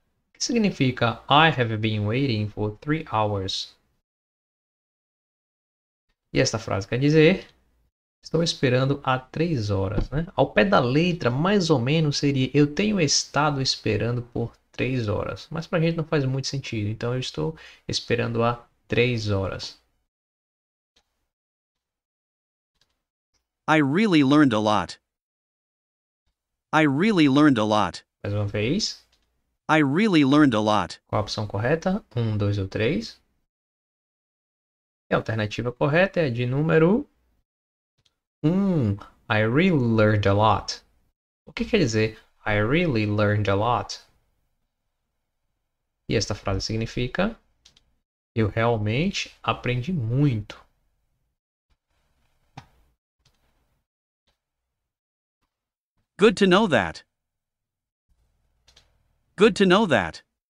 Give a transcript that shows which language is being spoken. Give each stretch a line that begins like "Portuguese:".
Portuguese: O que significa
English: I have been waiting for 3 hours?
Portuguese: E esta frase quer dizer: estou esperando há 3 horas, né? Ao pé da letra, mais ou menos, seria: eu tenho estado esperando por 3 horas. Mas para a gente não faz muito sentido. Então, eu estou esperando há 3 horas.
English: I really learned a lot. I really learned a lot.
Portuguese: Mais uma vez.
English: I really learned a lot.
Portuguese: Qual a opção correta? 1, 2 ou 3? E a alternativa correta é a de número 1.
English: I really learned a lot.
Portuguese: O que quer dizer
English: I really learned a lot?
Portuguese: E esta frase significa: eu realmente aprendi muito.
English: Good to know that. Good to know that.